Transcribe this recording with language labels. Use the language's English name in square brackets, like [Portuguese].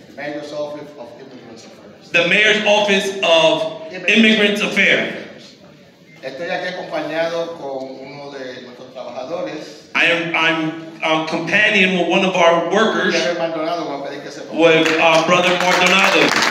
[English] Mayor's office of immigrants affairs. The mayor's office of immigrants affair. [Spanish] Estoy aquí acompañado con uno de nuestros trabajadores. [English] I'm companion with one of our workers, with Brother Maldonado.